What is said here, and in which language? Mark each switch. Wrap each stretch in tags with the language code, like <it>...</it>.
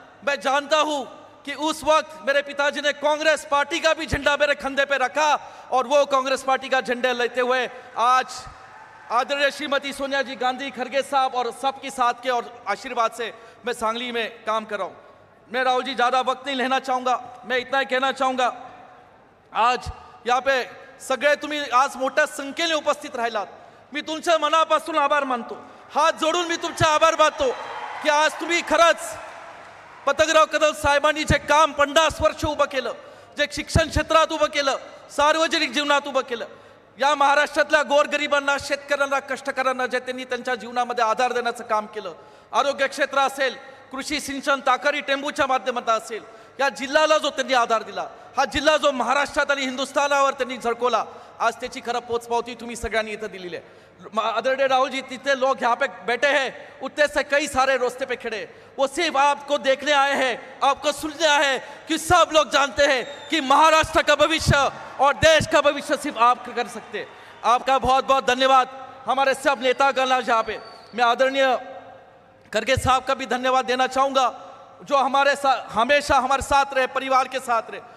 <hi>मैं जानता हूँ कि उस वक्त मेरे पिताजी ने कांग्रेस पार्टी का भी झंडा मेरे कंधे पे रखा और वो कांग्रेस पार्टी का झंडा लेते हुए आज आदरणीय श्रीमती सोनिया जी गांधी, खड़गे साहब और सबके साथ के और आशीर्वाद से मैं सांगली में काम कर रहा हूँ। मैं राहुल जी ज़्यादा वक्त नहीं लेना चाहूँगा। मैं इतना ही कहना चाहूँगा, आज यहाँ पे</hi> <mr>सगळे तुम्ही आज मोठ्या संख्येने उपस्थित राहिलात, मी तुमच्या मनापासून आभार मानतो, हात जोडून मी तुमचा आभार मानतो की आज तुम्ही खरंच पतंगराव कदम साहेबांनी जे काम पंडा स्पर्श उभं केलं, जे शिक्षण क्षेत्रात उभं केलं, सार्वजनिक जीवनात उभं केलं, या महाराष्ट्रातल्या गोरगरिबांना, शेतकऱ्यांना, कष्टकऱ्यांना जे त्यांनी त्यांच्या जीवनामध्ये आधार देण्याचं काम केलं, आरोग्य क्षेत्र असेल, कृषी सिंचन ताकारी टेंबूच्या माध्यमातून असेल, या जिल्ह्याला जो त्यांनी आधार दिला, हा जिल्हा जो महाराष्ट्रात आणि हिंदुस्थानावर त्यांनी झळकवला, आज त्याची खरं पोचपावती तुम्ही सगळ्यांनी इथं दिलेली आहे.</mr> <hi>आदरणीय राहुलजी, जितने लोग यहाँ पे बैठे हैं उतने से कई सारे रास्ते पे खड़े, वो सिर्फ आपको देखने आए हैं, आपको सुनने आए हैं, कि सब लोग जानते हैं कि महाराष्ट्र का भविष्य और देश का भविष्य सिर्फ आप कर सकते. आपका बहुत बहुत धन्यवाद. हमारे सब नेता गण आज यहाँ पे, मैं आदरणीय करके साहब का भी धन्यवाद देना चाहूँगा, जो हमारे साथ हमेशा हमारे साथ रहे, परिवार के साथ रहे.</hi>